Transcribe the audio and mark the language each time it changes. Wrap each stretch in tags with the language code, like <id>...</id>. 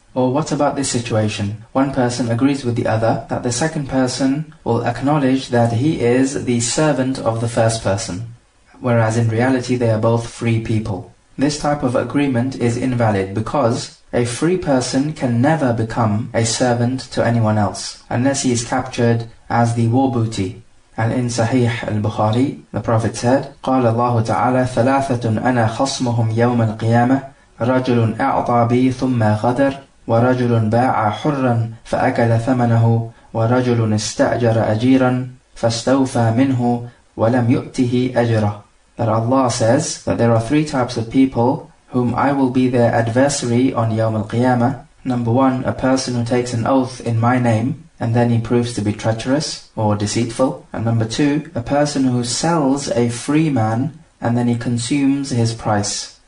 <en>Or what about this situation? One person agrees with the other that the second person will acknowledge that he is the servant of the first person, whereas in reality they are both free people. This type of agreement is invalid because a free person can never become a servant to anyone else unless he is captured as the war booty. And in Sahih al-Bukhari, the Prophet said,</en> <ar>قال الله تعالى ثلاثة أنا خصمهم يوم القيامة رجل أعطى بي ثم غدر ورجل باع حرا فأكل ثمنه ورجل استأجر أجيرا فاستوفى منه ولم يؤته أجرا.</ar> <en>That Allah says that there are three types of people whom I will be their adversary on Yawm al-Qiyamah. Number one, a person who takes an oath in my name and then he proves to be treacherous or deceitful. And number two, a person who sells a free man and then he consumes his price.</en>